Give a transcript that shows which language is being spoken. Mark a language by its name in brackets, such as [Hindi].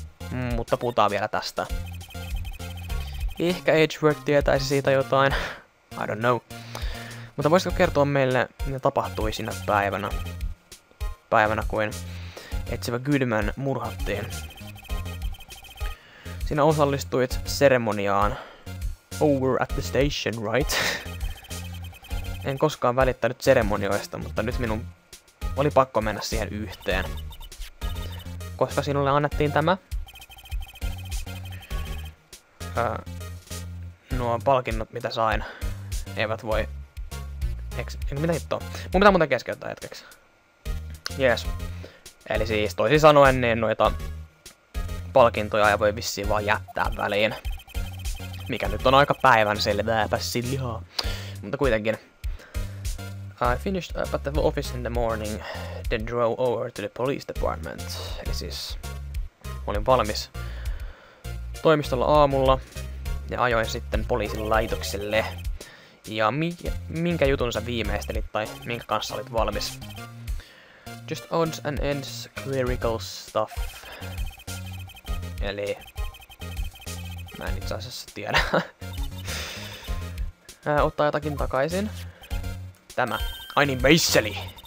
[Finnish] Mutta puhutaan vielä tästä. Ehkä Edgeword tietäisi siitä jotain. [English] I don't know. [Finnish] Mutta voisitko kertoa meille, mitä tapahtui siinä päivänä? Päivänä, kun etsivä Goodman murhattiin. Sinä osallistuit seremoniaan. [English] Over at the station, right? [Finnish] En koskaan välittänyt seremonioista, mutta nyt minun oli pakko mennä siihen yhteen. Koska sinulle annettiin tämä? Nuo palkinnot, mitä sain, eivät voi... mitä hittoa? Mun pitää muuten keskeyttää hetkeksi. Jees. Eli siis toisin sanoen, niin noita palkintoja ei voi vissiin vaan jättää väliin. Mikä nyt on aika päivän selvääpä sillihaa. Mutta kuitenkin. [English] I finished up at the office in the morning, then drove over to the police department. [Finnish] Eli siis olin valmis toimistolla aamulla ja ajoin sitten poliisin laitokselle. Ja minkä jutun sä viimeistelit tai minkä kanssa olit valmis? [English] Just odds and ends, clerical stuff. [Finnish] Eli... mä en itse asiassa tiedä. ottaa jotakin takaisin. Tämä. Ai niin, meisseli!